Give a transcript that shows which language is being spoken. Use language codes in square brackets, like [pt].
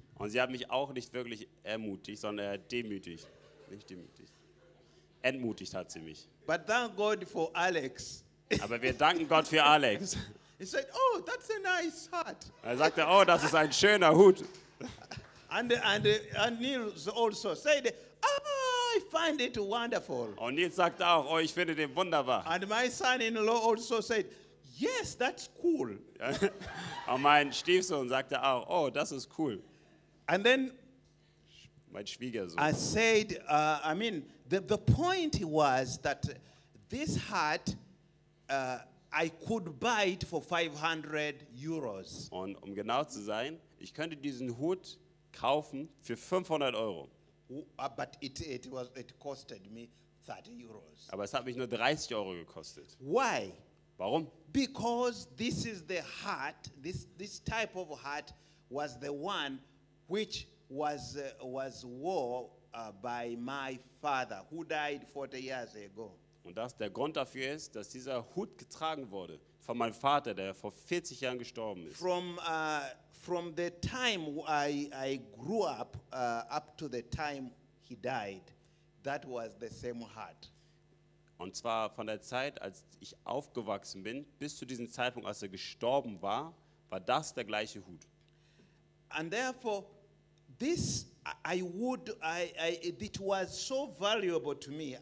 [de] Und sie hat mich auch nicht wirklich ermutigt, sondern demütigt. Nicht demütigt. Entmutigt hat sie mich. [en] But thank God for Alex. [de] Aber wir danken Gott für Alex. [en] He said, oh, that's a nice hat. [de] Er sagte, oh, das ist ein schöner Hut. [en] And Nils also said, oh, I find it wonderful. [de] Und Nils sagte auch, oh, ich finde den wunderbar. [en] And my son-in-law also said, yes, that's cool. [de] Und mein Stiefsohn sagte auch, oh, das ist cool. [en] And then [de] mein Schwiegersohn. [en] I said, the point was that this hat, I could buy it for 500 euros. [de] Und um genau zu sein, ich könnte diesen Hut kaufen für 500 Euro. [en] But it costed me 30 euros. [de] Aber es hat mich nur 30 Euro gekostet. [en] Why? [de] Warum? [en] Because this is the hat, this type of hat was the one which was wore by my father who died 40 years ago. [de] Und dass der Grund dafür ist, dass dieser Hut getragen wurde von meinem Vater, der vor 40 Jahren gestorben ist. [en] From the time I grew up up to the time he died, that was the same hut. [de] Und zwar von der Zeit, als ich aufgewachsen bin, bis zu diesem Zeitpunkt, als er gestorben war, war das der gleiche Hut. [en] And therefore, this it was so valuable to me.